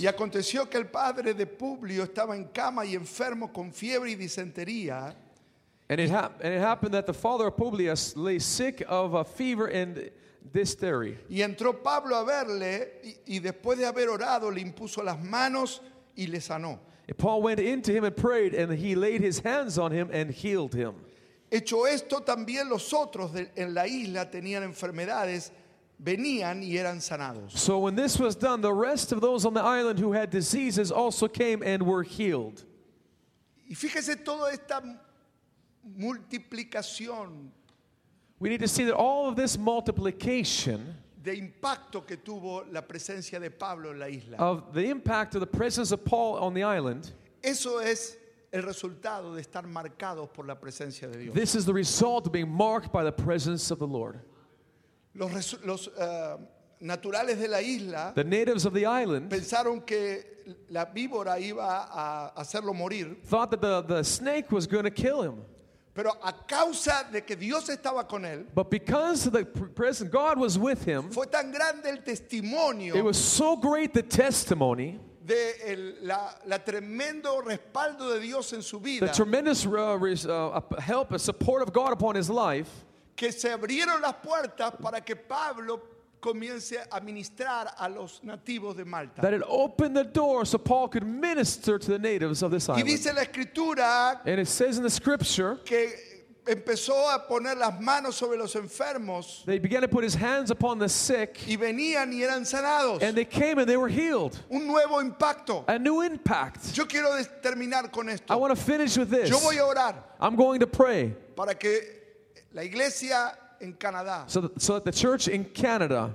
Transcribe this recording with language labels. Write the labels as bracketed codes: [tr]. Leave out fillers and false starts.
[es] Y aconteció que el padre de Publio estaba en cama y enfermo con fiebre y disentería. [en] And it happened that the father of Publius lay sick of a fever and dysentery. [es] Y entró Pablo a verle y después de haber orado le impuso las manos y le sanó. [en] Paul went into him and prayed, and he laid his hands on him and healed him. [es] Hecho esto, también los otros en la isla tenían enfermedades, venían y eran sanados. [en] So when this was done, the rest of those on the island who had diseases also came and were healed. [es] Y fíjese toda esta multiplicación. [en] We need to see that all of this multiplication [es] de impacto que tuvo la presencia de Pablo en la isla. [en] Of the impact of the presence of Paul on the island. [es] Eso es el resultado de estar marcados por la presencia de Dios. [en] This is the result of being marked by the presence of the Lord. [es] Los naturales de la isla, [en] the natives of the island, [es] pensaron que la víbora iba a hacerlo morir. [en] Thought that the snake was going to kill him. [es] Pero a causa de que Dios estaba con él, [en] but because of the presence God was with him, [es] fue tan grande el testimonio, [en] it was so great the testimony, [es] de la tremendo respaldo de Dios en su vida, [en] the tremendous help, a support of God upon his life, [es] que se abrieron las puertas para que Pablo comience a ministrar a los nativos de Malta. [en] That it opened the door so Paul could minister to the natives of this island. [es] Y dice la escritura, [en] and it says in the scripture, [es] que empezó a poner las manos sobre los enfermos, [en] they began to put his hands upon the sick, [es] y venían y eran sanados. [en] And they came and they were healed. [es] Un nuevo impacto. [en] A new impact. [es] Yo quiero terminar con esto. [en] I want to finish with this. [es] Yo voy a orar. [en] I'm going to pray. [es] Para que la iglesia en Canadá, [en] so that the church in Canada